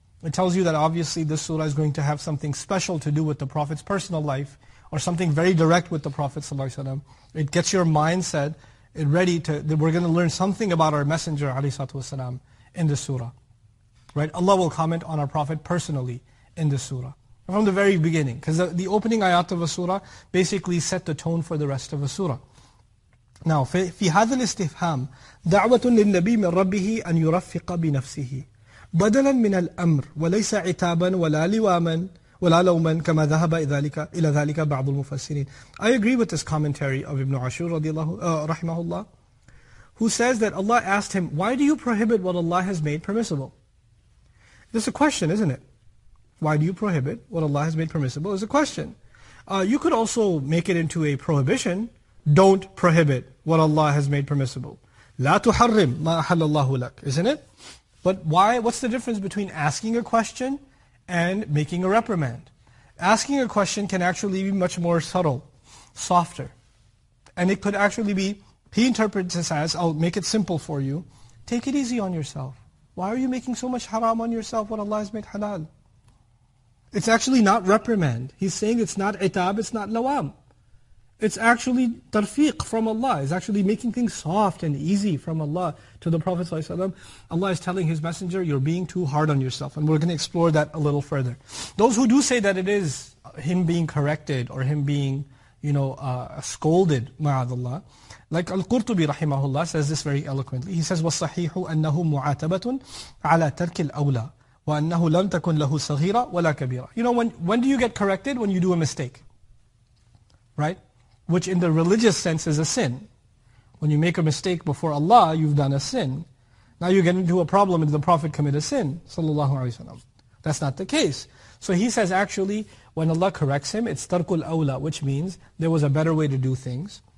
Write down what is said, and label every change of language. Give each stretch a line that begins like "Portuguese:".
English: It tells you that obviously this surah is going to have something special to do with the Prophet's personal life, or something very direct with the Prophet sallallahu alayhi wa sallam. It gets your mindset ready that we're going to learn something about our Messenger alayhi salatu wa sallam in this surah. Right? Allah will comment on our Prophet personally in this surah. From the very beginning. Because the opening ayat of a surah basically set the tone for the rest of a surah. Now,
Arabic: في هذا الاستفهام دعوة للنبي من ربه أن يرفق بنفسه بدلا من الأمر وليس عتابا ولا لواما ولا لوما كما ذهب إلى ذلك بعض المفسرين.
English: I agree with this commentary of Ibn Ashur رحمه الله, who says that Allah asked him, why do you prohibit what Allah has made permissible? This is a question, isn't it? Why do you prohibit what Allah has made permissible is a question. You could also make it into a prohibition. Don't prohibit what Allah has made permissible.
Arabic: لا تحرم ما أحل الله لك,
English: isn't it? But why? What's the difference between asking a question and making a reprimand? Asking a question can actually be much more subtle, softer. And it could actually be, he interprets this as, I'll make it simple for you. Take it easy on yourself. Why are you making so much haram on yourself what Allah has made halal? It's actually not reprimand. He's saying it's not itab, it's not lawam. It's actually tarfiq from Allah. It's actually making things soft and easy from Allah to the Prophet ﷺ. Allah is telling His Messenger, you're being too hard on yourself. And we're going to explore that a little further. Those who do say that it is him being corrected or him being, you know, scolded, ma'adallah. Like Al-Qurtubi rahimahullah says this very eloquently. He says,
Arabic: وَالصَّحِيحُ أَنَّهُ مُعَاتَبَةٌ عَلَى تَرْكِ الْأَوْلَى وَأَنَّهُ لَمْ تَكُنْ لَهُ صَغِيرًا وَلَا كَبِيرًا.
English: You know, when do you get corrected? When you do a mistake. Right? Which in the religious sense is a sin. When you make a mistake before Allah, you've done a sin. Now you get into a problem and the Prophet commit a sin, sallallahu alayhi wa sallam. That's not the case. So he says actually, when Allah corrects him, it's tarkul awla, which means there was a better way to do things.